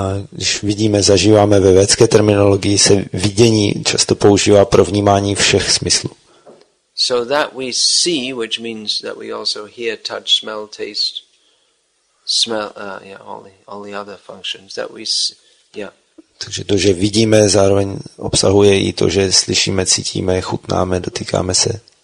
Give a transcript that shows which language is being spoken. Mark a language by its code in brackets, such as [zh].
[cs] Když vidíme, zažíváme ve vědecké terminologii, se vidění často používá pro vnímání všech smyslů. [en] So that we see, which means that we also hear, touch, smell, taste, all the other functions that we see. Yeah. [cs] Takže to, že vidíme, zároveň obsahuje i to, že slyšíme, cítíme, chutnáme, dotýkáme se.